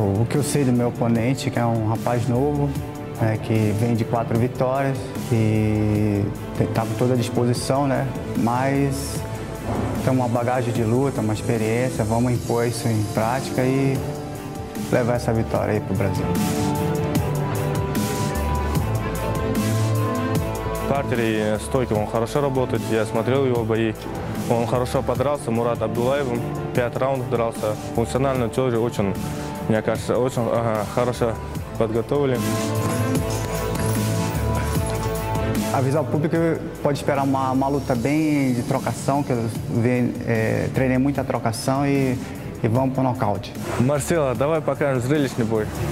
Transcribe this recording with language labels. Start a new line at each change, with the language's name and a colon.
Portuguese: Eu sei do meu oponente, que é um rapaz novo, né, que vem de 4 vitórias e está com toda a disposição, né? Mas tem uma bagagem de luta, uma experiência, vamos impor isso em prática e levar essa vitória aí para o Brasil.
Russian: Партер и стойки, он хорошо работает, я смотрел его бои, он хорошо подрался, Мурат Абдуллаевым, 5 раундов дрался, функционально тоже очень, мне кажется, очень хорошо подготовили.
Portuguese: Avisar o público, pode esperar uma luta bem de trocação, que treinei muita trocação e vamos para o нокауте.
Russian: Марсело, давай покажем зрелищный бой.